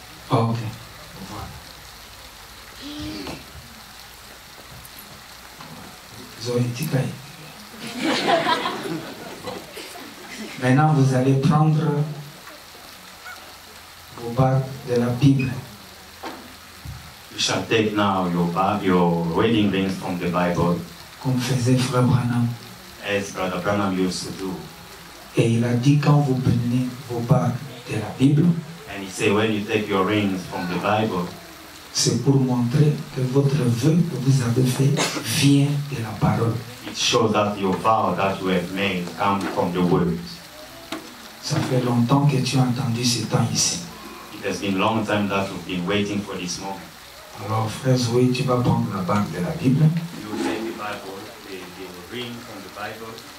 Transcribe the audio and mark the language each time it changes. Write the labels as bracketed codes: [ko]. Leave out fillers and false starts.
[fr] Ok. Voilà. Maintenant, vous allez prendre vos bagues de la Bible. [en] You shall take now your wedding rings from the Bible. [fr] Comme faisait Frère Branham. [en] As Brother Branham used to do. [fr] Et il a dit, quand vous prenez vos bagues de la Bible. [en] And he said, when you take your rings from the Bible. [fr] C'est pour montrer que votre vœu que vous avez fait vient de la parole. [en] It shows that your vow that you have made comes from the word. [fr] Ça fait longtemps que tu as entendu ce temps ici. [en] It has been long time that you've been waiting for this moment. [fr] Alors, frère Zoé, tu vas prendre la bague de la Bible. [en] You take the Bible, the ring from the Bible.